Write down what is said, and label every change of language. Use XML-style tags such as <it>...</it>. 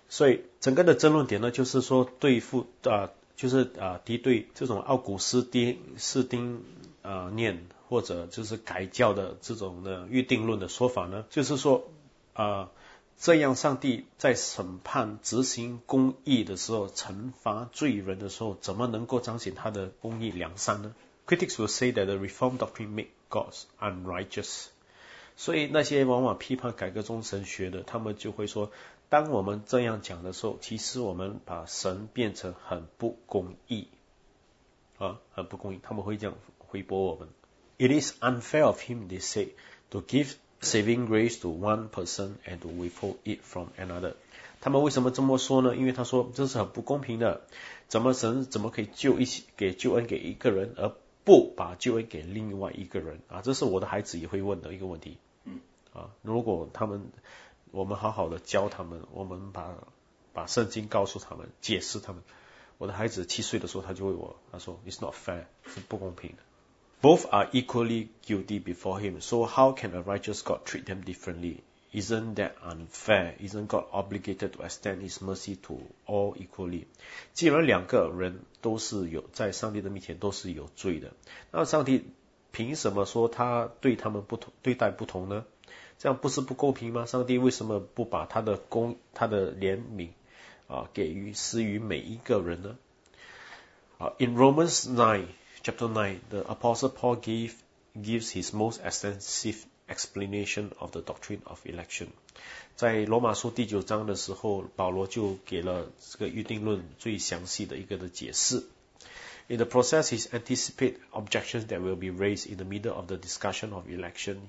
<zh>所以整个的争论点呢，就是说对付就是敌对这种奥古斯丁士丁念或者就是改教的这种的预定论的说法呢，就是说这样上帝在审判执行公义的时候，惩罚罪人的时候，怎么能够彰显他的公义良善呢？</zh> <en>Critics will say that the Reformed doctrine make God unrighteous.</en> <zh>所以那些往往批判改革宗神学的，他们就会说，当我们这样讲的时候，其实我们把神变成很不公义啊，很不公义，他们会这样回驳我们。</zh> <en>It is unfair of him, they say, to giveSaving grace to one person and to withhold it from another.</en> <zh>他们为什么这么说呢？因为他说这是很不公平的，怎么神怎么可以救一些给救恩给一个人，而不把救恩给另外一个人啊？这是我的孩子也会问的一个问题。如果他们我们好好的教他们，我们把圣经告诉他们，解释他们，我的孩子七岁的时候他就问我，他说</zh> <en>It's not fair,</en> <zh>是不公平的。</zh> <en>Both are equally guilty before him, so how can a righteous God treat them differently? Isn't that unfair? Isn't God obligated to extend his mercy to all equally?</en> <zh>既然两个人都是有在上帝的面前都是有罪的，那上帝凭什么说他对他们不同，对待不同呢？这样不是不公平吗？上帝为什么不把他的公，他的怜悯给予施于每一个人呢？</zh> <en>In Romans 9,Chapter 9, the Apostle Paul gives his most extensive explanation of the doctrine of election.</en> <zh>在罗马书第九章的时候，保罗就给了这个预定论最详细的一个的解释。</zh> <en>In the process, he anticipates objections that will be raised in the middle of the discussion of election.</en>